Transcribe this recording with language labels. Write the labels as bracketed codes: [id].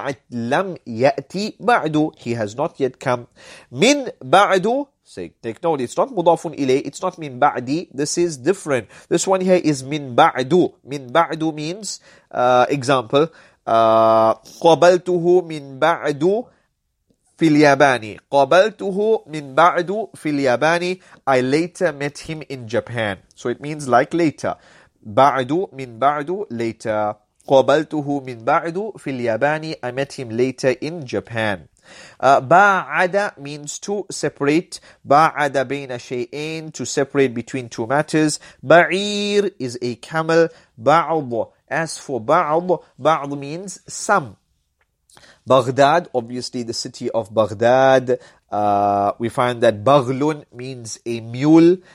[ar] Lam ya'ti ba'du, [en] he has not yet come. Min ba'du, say, take note, it's not mudafun ilay, it's not min ba'di, this is different. This one here is min ba'du. Min ba'du means, example, [ar] qabaltuhu min ba'du في الياباني. قابلته من بعد في الياباني. [en] I later met him in Japan. So it means like later. [ar] بعد, من بعد, [en] later. [ar] قابلته من بعد في الياباني. [en] I met him later in Japan. بعد means to separate. [ar] بعد بين شيئين, [en] to separate between two matters. بعير is a camel. بعض, as for بعض, بعض means some. Baghdad, obviously the city of Baghdad. We find that baghlun means a mule.